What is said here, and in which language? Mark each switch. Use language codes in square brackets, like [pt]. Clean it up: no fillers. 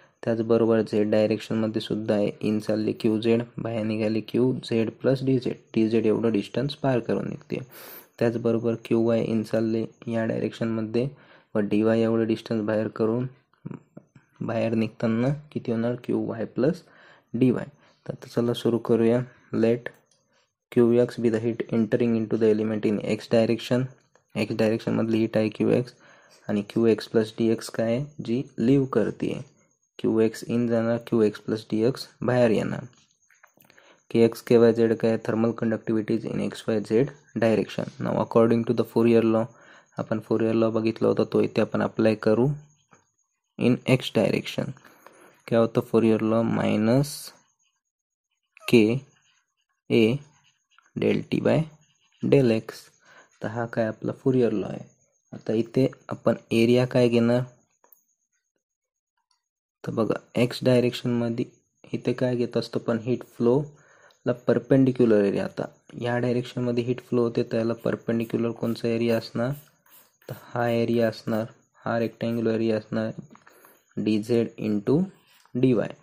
[mr] त्याचबरोबर झेड डायरेक्शनमध्ये सुद्धा आहे, इन चालली क्यू झेड, बाहेर निघाली Q Z plus dz, dz एवढं डिस्टन्स पार करून निघते. त्याचबरोबर क्यू वाय इन चालली या डायरेक्शनमध्ये व dy एवढं डिस्टन्स बाहेर करून, बाहेर निघताना किती होणार, क्यू वाय प्लस dy. तर चला सुरू करूया. [en] Let Q x be the heat entering into the element in x direction. [mr] X डायरेक्शनमधली heat आहे क्यू एक्स, आणि क्यू एक्स प्लस dx काय आहे, जी लिव करते आहे. क्यू एक्स इन जाणार, क्यू एक्स प्लस dx बाहेर येणार. [en] K x K y z काय, thermal conductivities in x y z direction. [mr] Now [en] according to the Fourier law, [mr] आपण फोरियर लॉ बघितला होता, तो इथे आपण अप्लाय करू इन एक्स डायरेक्शन. काय होतं फोरियर लॉ? [en] Minus K A del T by del x. [mr] तर हा काय आपला फुरियर लॉ आहे. आता इथे आपण एरिया काय घेणार, तर बघा एक्स डायरेक्शनमध्ये इथे काय घेत असतो आपण, हीट फ्लोला परपेंडिक्युलर एरिया. आता या डायरेक्शनमध्ये हीट फ्लो होते, तर याला परपेंडिक्युलर कोणचा एरिया असणार, तर हा एरिया असणार, हा रेक्टँग्युलर एरिया असणार dz इंटू dy.